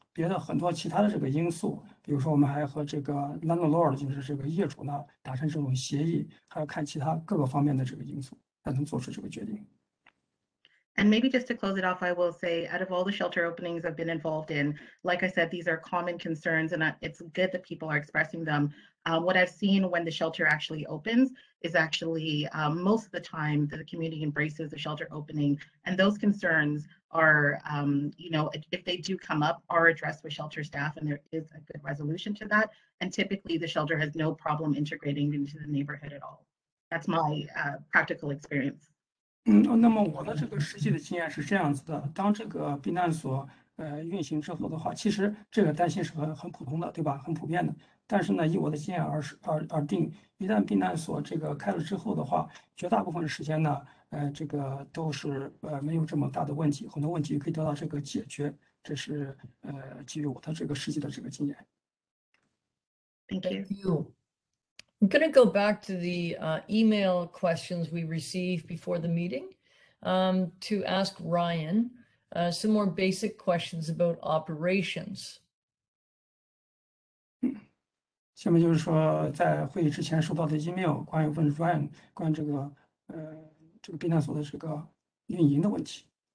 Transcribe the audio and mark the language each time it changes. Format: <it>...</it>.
<zh>那么呢，并不因为这个议员的反对，就是这个原因，我们就不能选择这个避难所了。还有别的很多其他的这个因素，比如说我们还和这个 landlord， 就是这个业主呢，达成这种协议，还要看其他各个方面的这个因素，才能做出这个决定。</zh> <en>And maybe just to close it off, I will say, out of all the shelter openings I've been involved in, like I said, these are common concerns, and it's good that people are expressing them. What I've seen when the shelter actually opens is actually most of the time the community embraces the shelter opening, and those concerns are, you know, if they do come up, are addressed with shelter staff, and there is a good resolution to that. And typically the shelter has no problem integrating into the neighborhood at all. That's my practical experience.</en> <zh>那么我的这个实际的经验是这样子的，当这个避难所运行之后的话，其实这个担心是很普通的，对吧？很普遍的。但是呢，以我的经验而定，一旦避难所这个开了之后的话，绝大部分时间呢，这个都是没有这么大的问题，很多问题可以得到这个解决。这是基于我的这个实际的这个经验。</zh> <en>Thank you. I'm going to go back to the email questions we received before the meeting to ask Ryan some more basic questions about operations.</en> <zh>下面就是说在会议之前收到的email 关于问 Ryan 关于这个避难所的这个运营的问题。</zh>